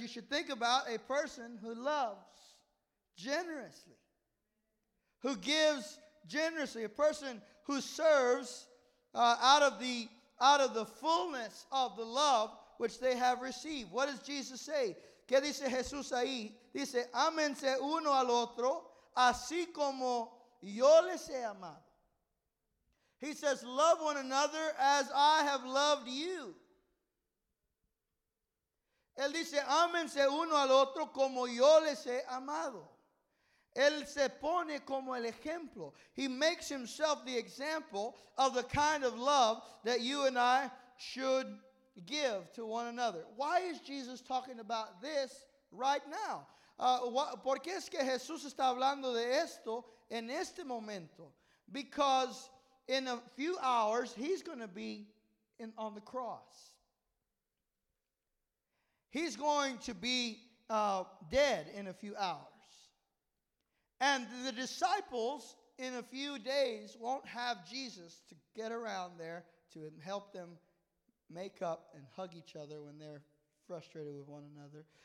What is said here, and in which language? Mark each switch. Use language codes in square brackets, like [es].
[en] You should think about a person who loves generously, who gives generously, a person who serves out of the fullness of the love which they have received. What does Jesus say? [es] ¿Qué dice Jesús ahí? Dice, ámense uno al otro, así como yo les he amado. [en] He says, love one another as I have loved you. [es] Él dice, ámense uno al otro como yo les he amado. Él se pone como el ejemplo. [en] He makes himself the example of the kind of love that you and I should give to one another. Why is Jesus talking about this right now? [es] ¿Por qué es que Jesús está hablando de esto en este momento? [en] Because in a few hours, he's going to be on the cross. He's going to be dead in a few hours. And the disciples in a few days won't have Jesus to get around there to help them make up and hug each other when they're frustrated with one another.